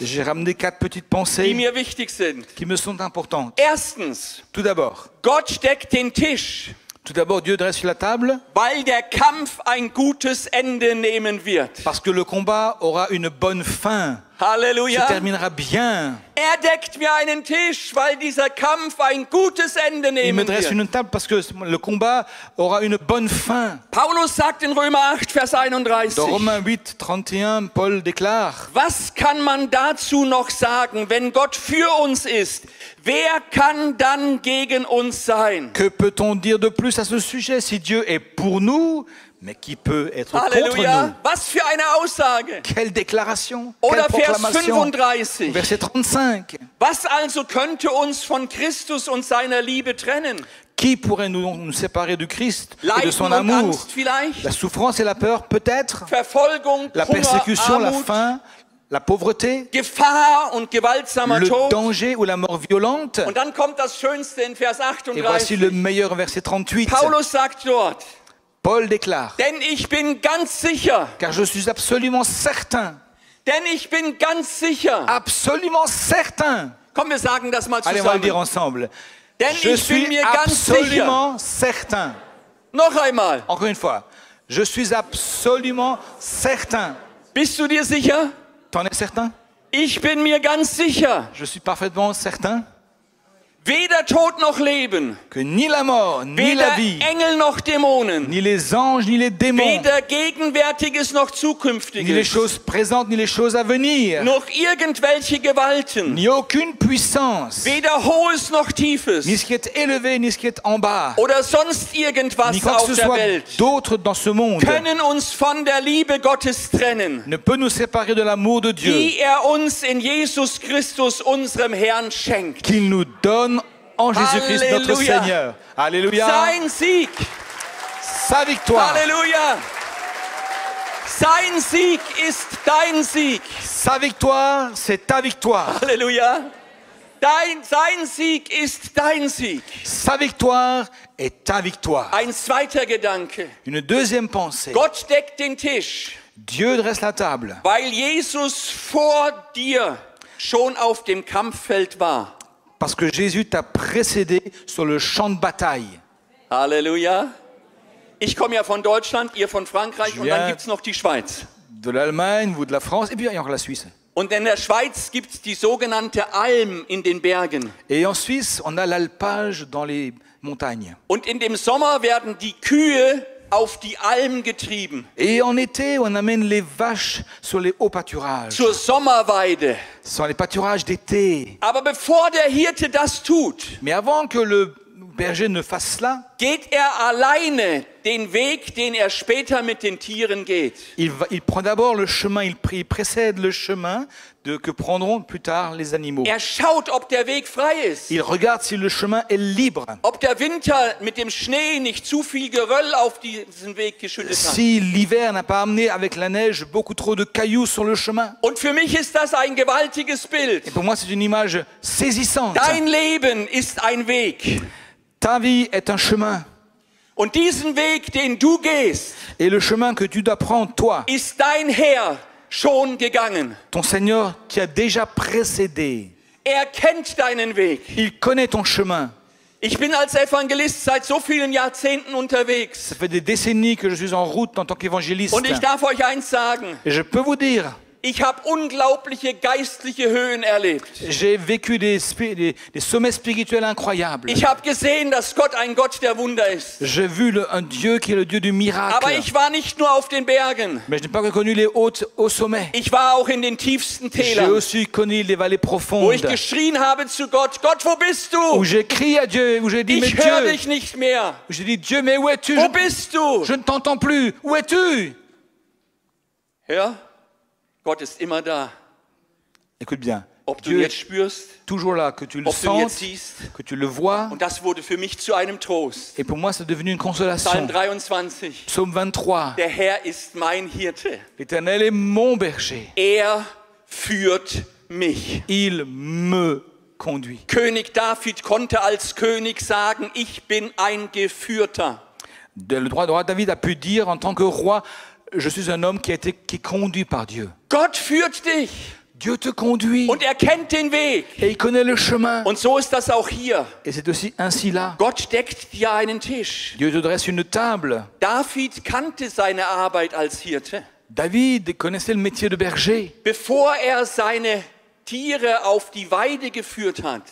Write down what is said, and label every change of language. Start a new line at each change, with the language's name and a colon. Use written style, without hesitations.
French: J'ai ramené quatre petites pensées.
German: Die mir wichtig sind.
French: Qui me sont importantes.
German: Erstens.
French: Tout d'abord.
German: Gott deckt den Tisch.
French: Tout d'abord, Dieu dresse la table.
German: Weil der Kampf ein gutes Ende nehmen wird.
French: Parce que le combat aura une bonne fin.
German: Halleluja.
French: Se terminera bien.
German: Er deckt mir einen Tisch, weil dieser Kampf ein gutes Ende nehmen wird.
French: Il me dresse une table parce que le combat aura une bonne fin.
German: Paulus sagt in Römer 8, Vers 31.
French: Dans Romains 8, 31, Paul déclare.
German: Was kann man dazu noch sagen, wenn Gott für uns ist? Wer kann dann gegen uns sein?
French: Que peut-on dire de plus à ce sujet si Dieu est pour nous? Mais qui peut être
German: Halleluja.
French: Contre nous?
German: Was für eine Aussage!
French: Quelle déclaration!
German: Oder
French: quelle proclamation!
German: Vers 35.
French: Verset 35.
German: Was also könnte uns von Christus und seiner Liebe trennen?
French: Qui pourrait nous séparer du Christ
German: Leiden
French: et de son amour?
German: Angst vielleicht?
French: La souffrance et la peur, peut-être?
German: Verfolgung,
French: la persécution,
German: Hunger,
French: la
German: Armut,
French: faim, la pauvreté?
German: Gefahr und gewaltsamer
French: le
German: Tod,
French: danger ou la mort violente?
German: Und dann kommt das Schönste in Vers 38.
French: Et voici le meilleur verset 38.
German: Paulus sagt dort.
French: Paul déclare.
German: Denn ich bin ganz sicher.
French: Car je suis absolument certain.
German: Denn ich bin ganz sicher.
French: Absolument certain.
German: Komm, wir sagen das mal zusammen.
French: Allez, on va le dire ensemble.
German: Denn
French: je
German: ich
French: suis
German: bin mir
French: absolument
German: ganz sicher.
French: Certain.
German: Noch einmal.
French: Encore une fois. Je suis absolument certain.
German: Bist du dir sicher?
French: T'en es certain?
German: Ich bin mir ganz sicher.
French: Je suis parfaitement certain.
German: Weder Tod noch Leben.
French: Que ni la mort, ni la vie.
German: Weder Engel noch Dämonen.
French: Ni les anges, ni les démons.
German: Weder Gegenwärtiges noch Zukünftiges.
French: Ni les choses présentes, ni les choses à venir.
German: Noch irgendwelche Gewalten.
French: Ni aucune puissance.
German: Weder Hohes noch Tiefes.
French: Ni ce qui est élevé, ni ce qui est en bas.
German: Oder sonst irgendwas
French: ni quoi que
German: auf
French: ce
German: der
French: soit
German: Welt.
French: D'autre dans ce monde.
German: Können uns von der Liebe Gottes trennen.
French: Ne peut nous séparer de l'amour de Dieu.
German: Die er uns in Jesus Christus, unserem Herrn, schenkt.
French: Qu'il nous donne en Jésus-Christ, notre Seigneur.
German: Alléluia. Sein Sieg.
French: Sa victoire.
German: Alléluia. Sein Sieg ist dein Sieg.
French: Sa victoire, c'est ta victoire.
German: Alléluia. Sein Sieg ist dein Sieg.
French: Sa victoire est ta victoire.
German: Ein zweiter Gedanke.
French: Une deuxième pensée.
German: Gott deckt den Tisch.
French: Dieu dresse la table.
German: Weil Jesus vor dir schon auf dem Kampffeld war.
French: Parce que Jésus t'a précédé sur le champ de bataille. Alléluia.
German: Ich komme ja von Deutschland, ihr von Frankreich und dann gibt's noch die Schweiz.
French: De l'Allemagne, vous de la France et puis il y a encore la Suisse.
German: Und in der Schweiz gibt's die sogenannte Alm in den Bergen.
French: Et en Suisse, on a l'alpage dans les montagnes.
German: Und in dem Sommer werden die Kühe auf die Alm getrieben.
French: Et en été, on amène les vaches sur les hauts pâturages.
German: Zur Sommerweide.
French: Sur les pâturages d'été.
German: Aber bevor der Hirte das tut,
French: mais avant que le berger ne fasse cela,
German: geht er alleine den Weg, den er später mit den Tieren geht.
French: Il prend d'abord le chemin, il précède le chemin de que prendront plus tard les animaux.
German: Er schaut, ob der Weg frei ist.
French: Il regarde si le chemin est libre.
German: Ob der Winter mit dem Schnee nicht zu viel Geröll auf diesen Weg geschüttet hat.
French: Si l'hiver n'a pas amené avec la neige beaucoup trop de cailloux sur le chemin.
German: Und für mich ist das ein gewaltiges Bild.
French: Et pour moi c'est une image saisissante.
German: Dein Leben ist ein Weg.
French: Ta vie est un chemin.
German: Und diesen Weg, den du gehst,
French: et le chemin que tu dois prendre, toi,
German: ist dein Herr schon gegangen.
French: Ton Seigneur qui a déjà précédé.
German: Er kennt deinen Weg.
French: Il connaît ton chemin.
German: Ich bin als Evangelist seit so vielen Jahrzehnten unterwegs.
French: Ça fait des décennies que je suis en route en tant qu'évangéliste.
German: Und ich darf euch eins sagen.
French: Et je peux vous dire.
German: Ich habe unglaubliche geistliche Höhen erlebt.
French: J'ai vécu des sommets spirituels incroyables.
German: Ich habe gesehen, dass Gott ein Gott der Wunder ist.
French: J'ai vu un Dieu qui est le Dieu du miracle.
German: Aber ich war nicht nur auf den Bergen.
French: Mais je n'ai pas connu les hautes sommets.
German: Ich war auch in den tiefsten Tälern.
French: J'ai aussi connu les vallées profondes.
German: Wo ich geschrien habe zu Gott, Gott, wo bist du?
French: Où j'ai crié à Dieu, où j'ai dit,
German: ich höre dich nicht mehr.
French: J'ai dit, Dieu, mais où es-tu?
German: Wo bist du?
French: Je ne t'entends plus. Où es-tu?
German: Ja? Gott ist immer da.
French: Écoute bien.
German: Ob du jetzt spürst,
French: toujours là, que tu le sens, que tu le vois.
German: Und das wurde für mich zu einem Trost.
French: Et pour moi, c'est devenu une consolation.
German: Psalm 23. Der Herr ist mein Hirte.
French: L'Éternel est mon berger.
German: Er führt mich.
French: Il me conduit.
German: König David konnte als König sagen, ich bin ein Geführter.
French: Le droit de roi David a pu dire en tant que roi, je suis un homme qui est conduit par Dieu.
German: Gott führt dich.
French: Dieu te conduit.
German: Und er kennt den Weg.
French: Et il connaît le chemin.
German: Und so ist das auch hier.
French: Et c'est aussi ainsi là.
German: Gott deckt dir einen Tisch.
French: Dieu te dresse une table.
German: David kannte seine Arbeit als Hirte.
French: David connaissait le métier de berger.
German: Bevor er seine Tiere auf die Weide geführt hat.